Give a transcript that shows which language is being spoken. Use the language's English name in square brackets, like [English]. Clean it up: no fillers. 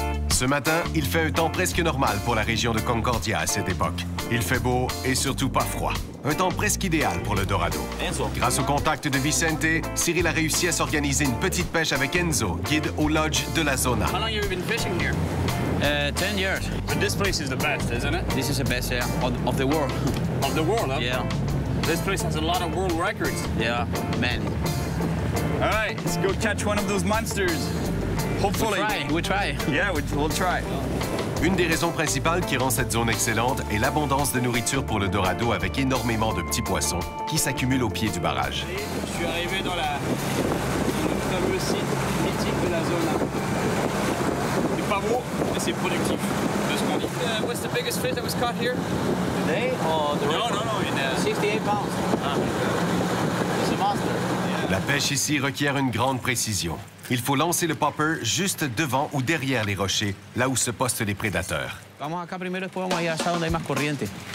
[French] Ce matin, il fait un temps presque normal pour la région de Concordia à cette époque. Il fait beau et surtout pas froid. Un temps presque idéal pour le dorado. Enzo. Grâce au contact de Vicente, Cyril a réussi à s'organiser une petite pêche avec Enzo, guide au lodge de la zona. [English] How long have you been fishing here? 10 years. But this place is the best, isn't it? This is the best, yeah, of the world. Of the world, huh? Yeah. This place has a lot of world records. Yeah, many. All right, let's go catch one of those monsters. Hopefully. We'll try. [French] Une des raisons principales qui rend cette zone excellente est l'abondance de nourriture pour le dorado avec énormément de petits poissons qui s'accumulent au pied du barrage. Je suis arrivé dans le fameux site mythique de la zone. C'est pas beau, mais c'est productif. [English] What's the biggest fish that was caught here? Today? No. 68 pounds. It's a monster. [French] La pêche ici requiert une grande précision. Il faut lancer le popper juste devant ou derrière les rochers, là où se postent les prédateurs. [Spanish] Vamos acá primero, después vamos allá, hasta donde hay más corriente.